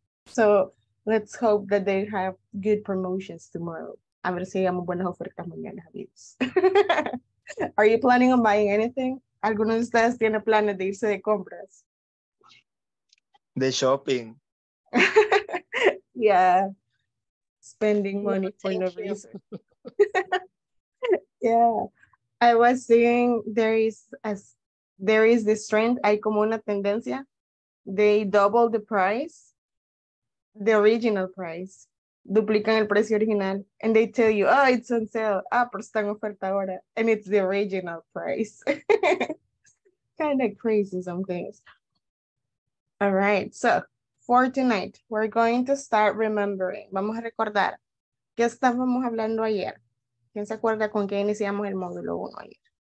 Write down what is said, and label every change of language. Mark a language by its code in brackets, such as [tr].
[en] So let's hope that they have good promotions tomorrow. [es] A ver si hagamos buenas ofertas mañana, amigos. [en] Are you planning on buying anything? [es] ¿Alguno de ustedes tiene planes de irse de compras? De shopping. [en] Yeah. Spending No, money for no thank reason. Yeah. I was seeing there is this trend. [es] Hay como una tendencia. [en] They double the price. The original price. [es] Duplican el precio original. [en] And they tell you, oh, it's on sale. [es] Ah, pero está en oferta ahora. [en] And it's the original price. Kind of crazy, some things. All right. So, for tonight, we're going to start remembering. [es] Vamos a recordar. ¿Qué estábamos hablando ayer? ¿Quién se acuerda con qué iniciamos el módulo 1 ayer?